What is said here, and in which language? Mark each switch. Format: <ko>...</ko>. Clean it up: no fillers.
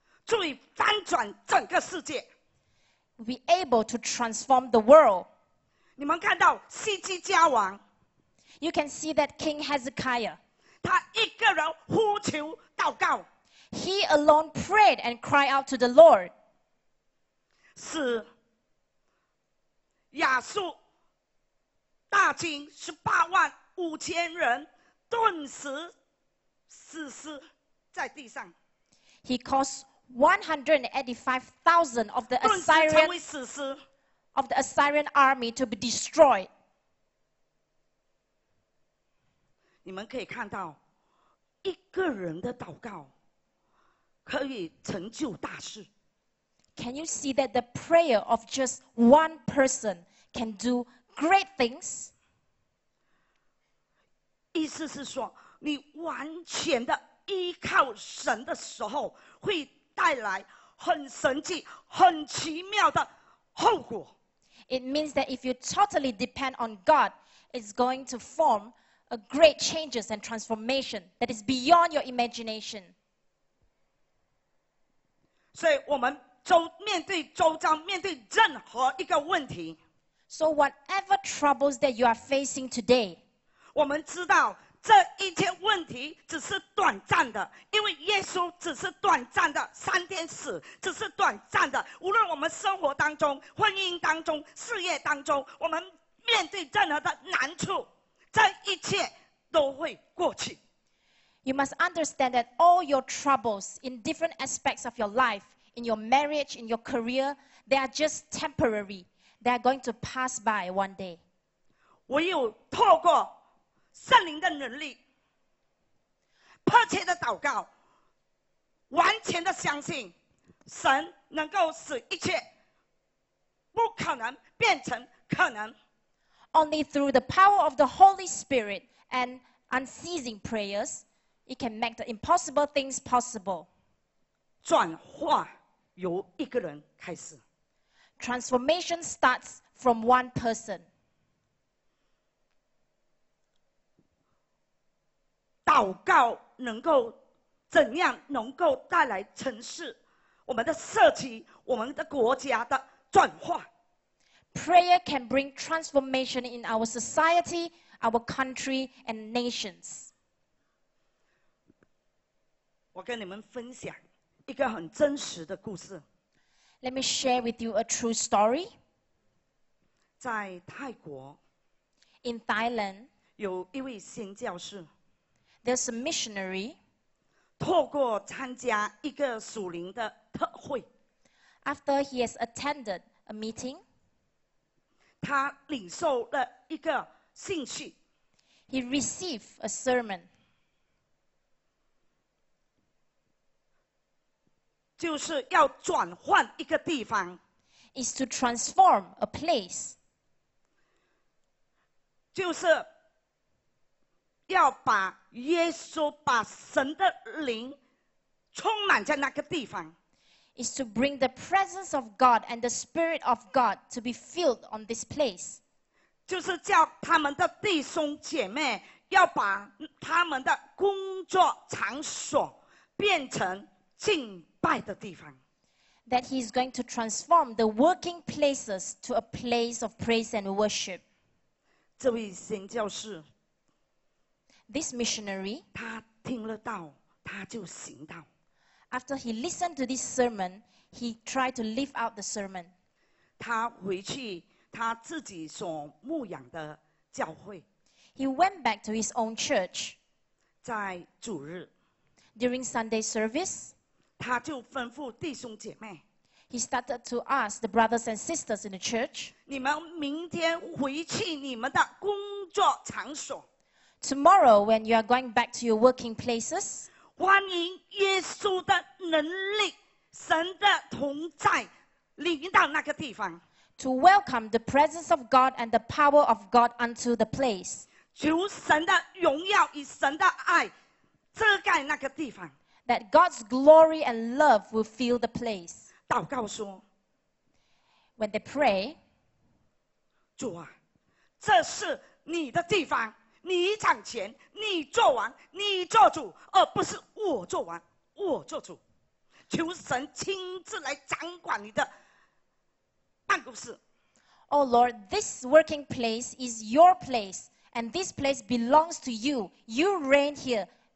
<en>We're able to transform the world. You can see the king of Assyria. You can see that King Hezekiah.</en> <zh>他一个人呼求祷告</zh> <en>He alone prayed and cried out to the Lord.</en> <zh>是亚述大军185,000人顿时死尸在地上。</zh> <en>He caused 185,000 of the Assyrian</en> <zh>顿时成为死尸。</zh> <en>Of the Assyrian army to be destroyed.</en> <zh>你们可以看到一个人的祷告可以成就大事。</zh> <en>Can you see that the prayer of just one person can do great things?</en> <zh>意思是说，你完全的依靠神的时候，会带来很神迹、很奇妙的后果。</zh> <en>It means that if you totally depend on God, it's going to form a great changes and transformation that is beyond your imagination.</en> <zh>所以我们面对周遭，面对任何一个问题。</zh> <en>So whatever troubles that you are facing today,</en> <zh>我们知道这一切问题只是短暂的，因为耶稣只是短暂的三天死，只是短暂的。无论我们生活当中、婚姻当中、事业当中，我们面对任何的难处，这一切都会过去。</zh> <en>You must understand that all your troubles in different aspects of your life, in your marriage, in your career, they are just temporary. They are going to pass by one day.</en> <zh>唯有透过圣灵的能力，迫切的祷告，完全的相信神能够使一切不可能变成可能。</zh> <en>Only through the power of the Holy Spirit and unceasing prayers, it can make the impossible things possible.</en> <zh>转化由一个人开始。</zh> <en>Transformation starts from one person.</en> <zh>祷告能够怎样能够带来城市、我们的社区、我们的国家的转化</zh> <en>？Prayer can bring transformation in our society, our country, and nations.</en> <zh>我跟你们分享一个很真实的故事。</zh> <en>Let me share with you a true story.</en> <zh>在泰国</zh> <en>，In Thailand，</en> <zh>有一位新教士。</zh> <en>There's a missionary.</en> <zh>透过参加一个属灵的特会</zh> <en>After he has attended a meeting,</en> <zh>他领受了一个信息</zh> <en>He received a sermon.</en> <zh>就是要转换一个地方</zh> <en>Is to transform a place.</en> <zh>就是要把耶稣把神的灵充满在那个地方</zh> <en>is to bring the presence of God and the spirit of God to be filled on this place</en> <zh>就是叫他们的弟兄姐妹要把他们的工作场所变成敬拜的地方</zh> <en>that he is going to transform the working places to a place of praise and worship</en> <zh>这位新教士</zh> <en>This missionary,</en> <zh>他听了道，他就行道。</zh> <en>After he listened to this sermon, he tried to live out the sermon.</en> <zh>他回去他自己所牧养的教会。</zh> <en>He went back to his own church.</en> <zh>在主日</zh> <en>，during Sunday service,</en> <zh>他就吩咐弟兄姐妹。</zh> <en>He started to ask the brothers and sisters in the church.</en> <zh>你们明天回去你们的工作场所。</zh> <en>Tomorrow, when you are going back to your working places,</en> <zh>欢迎耶稣的能力，神的同在，临到那个地方。</zh> <en>To welcome the presence of God and the power of God unto the place.</en> <zh>求神的荣耀与神的爱遮盖那个地方。</zh> <en>That God's glory and love will fill the place.</en> <zh>祷告说</zh> <en>When they pray,</en> <zh>主啊，这是你的地方。你掌权，你做王，你做主，而不是我做王，我做主。求神亲自来掌管你的办公室。</zh> <en>Oh Lord, this working place is your place, and this place belongs to you. You reign here.</en>